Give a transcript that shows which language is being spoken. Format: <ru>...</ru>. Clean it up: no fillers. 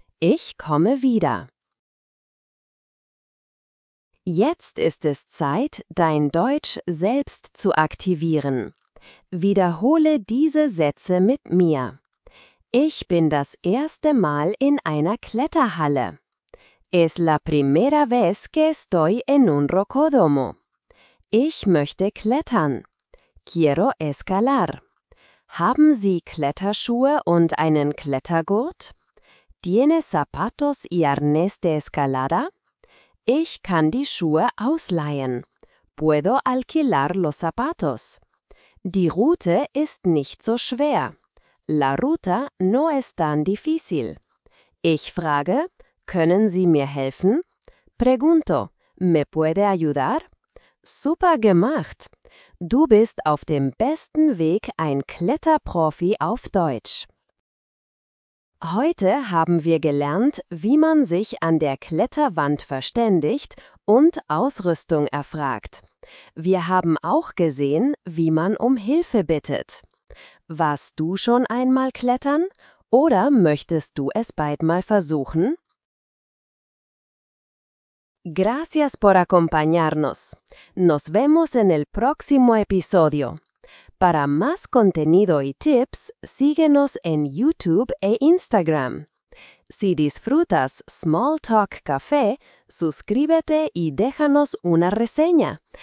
<de>Ich komme wieder. Jetzt ist es Zeit, dein Deutsch selbst zu aktivieren. Wiederhole diese Sätze mit mir. Ich bin das erste Mal in einer Kletterhalle.</de> <es>Es la primera vez que estoy en un rocódromo.</es> <de>Ich möchte klettern.</de> <es>Quiero escalar.</es> <de>Haben Sie Kletterschuhe und einen Klettergurt?</de> <es>¿Tiene zapatos y arnés de escalada?</es> <de>Ich kann die Schuhe ausleihen.</de> <es>Puedo alquilar los zapatos.</es> <de>Die Route ist nicht so schwer.</de> <es>La ruta no es tan difícil.</es> <de>Ich frage, können Sie mir helfen?</de> <es>Pregunto, ¿me puede ayudar?</es> <de>Super gemacht! Du bist auf dem besten Weg, ein Kletterprofi auf Deutsch. Heute haben wir gelernt, wie man sich an der Kletterwand verständigt und Ausrüstung erfragt. Wir haben auch gesehen, wie man um Hilfe bittet. Warst du schon einmal klettern? Oder möchtest du es bald mal versuchen?</de> <es>Gracias por acompañarnos. Nos vemos en el próximo episodio. Para más contenido y tips, síguenos en YouTube e Instagram. Si disfrutas Small Talk Café, suscríbete y déjanos una reseña.</es>